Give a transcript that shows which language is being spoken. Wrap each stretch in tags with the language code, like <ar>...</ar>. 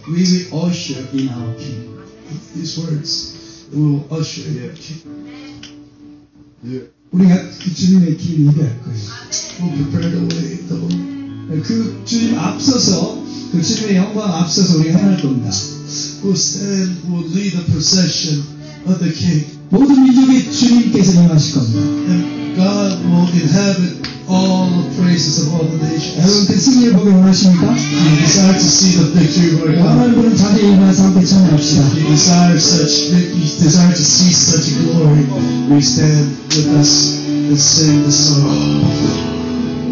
<en>We will usher in our king. These words, we will usher in our king.</en> <ko>우리가 그 주님의 길을 예배할 거예요.</ko> <en>We'll prepare the way, the Lord.</en> <ko>그 주님 앞서서, 그 주님의 영광 앞서서 우리가 행할 겁니다.</ko> <en>We'll stand, we'll lead the procession of the king.</en> <ko>모든 민족이 주님께서 임하실 겁니다.</ko> <en>And God will inhabit all the praises of all the nations.</en> <ko>여러분, 그 승리를 보기 원하십니까?</ko> <en>You desire to see the victory of our God.</en> <ko>여러분, 그런 자리에 임하여서 함께 찬양합시다.</ko> <en>You desire such victory, you desire to see such glory. We stand with us and sing the song.</en>